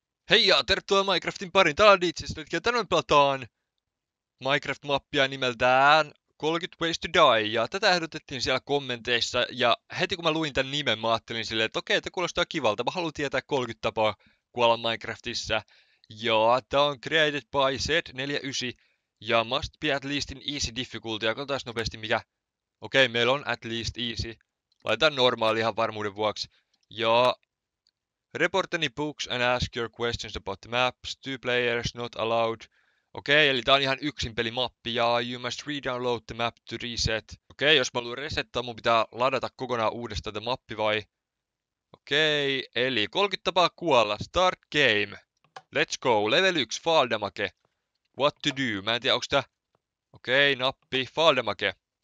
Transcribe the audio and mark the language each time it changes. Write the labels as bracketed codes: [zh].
[fi] Hei ja tervetuloa Minecraftin pariin. Täällä on Ditsis. Nyt tänään pelataan Minecraft-mappia nimeltään 30 Ways to Die. Ja tätä ehdotettiin siellä kommenteissa. Ja heti kun mä luin tämän nimen, mä ajattelin silleen, että okei, tämä kuulostaa kivalta. Mä haluan tietää 30 tapaa kuolla Minecraftissa. Ja tää on [en] created by [fi] Z49. [en] Ja must be at least in easy difficulty. [fi] Ja katsotaan nopeasti mikä. Okei, meillä on [en] at least easy. [fi] Laitetaan normaali ihan varmuuden vuoksi. [en] Ja report any books and ask your questions about the maps. Two players not allowed. [fi] Okei, eli tää on ihan yksin pelimappi ja [en] you must re-download the map to reset. [fi] Okei, jos mä haluan resettaa, mun pitää ladata kokonaan uudestaan tämä mappi vai? Okei, eli 30 tapaa kuolla. [en] Start game. Let's go. Level 1. Fall damage. What to do? [fi] Mä en tiedä, onks tää. Okei, nappi. [en] Fall damage.